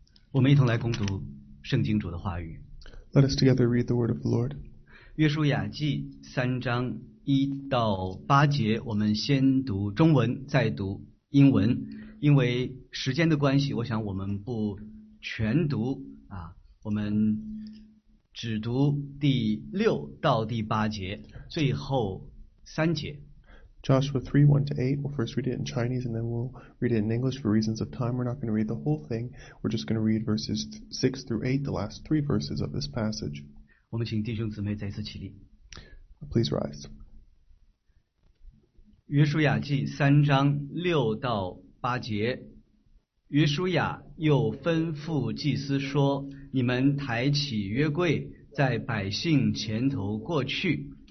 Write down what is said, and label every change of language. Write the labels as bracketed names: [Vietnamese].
[Chinese] 我们一同来攻读圣经主的话语。 [English] Let us together read the word of the Lord. [Chinese] 约书亚记三章一到八节，我们先读中文，再读英文。因为时间的关系，我想我们不全读啊，我们只读第六到第八节，最后三节。 [English] Joshua 3, 1 to 8, we'll first read it in Chinese and then we'll read it in English for reasons of time. We're not going to read the whole thing. We're just going to read verses 6 through 8, the last three verses of this passage. [Chinese] 我们请弟兄姊妹再次起立。 [English] Please rise. [Chinese] 约书亚记三章六到八节，约书亚又吩咐祭司说，你们抬起约柜在百姓前头过去。